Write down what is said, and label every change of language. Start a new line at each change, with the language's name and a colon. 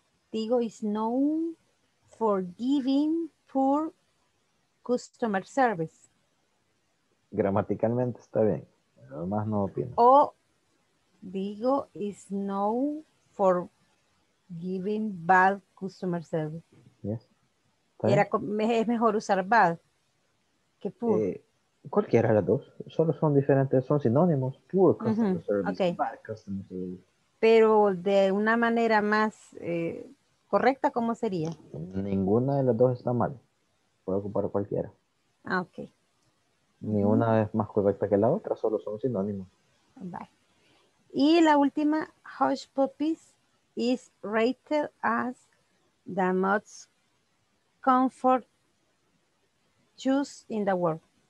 English: Tigo is known for giving poor customer service.
Spanish: Gramaticalmente está bien, además no opino.
English: O Digo is known for giving bad customer service. Yes.
Spanish: Era, es mejor usar bad que poor. Cualquiera de las dos, solo son diferentes, son sinónimos.
English: Poor customer service, okay. Bad customer service.
Spanish: Pero de una manera más correcta, ¿cómo sería? Ninguna de las dos está mal. Puede ocupar cualquiera. Ah, ok. Ni una es más correcta que la otra, solo son sinónimos.
English: Bye.
Spanish: Y la última,
English: Hush Puppies is rated as the most comfort shoes in the world.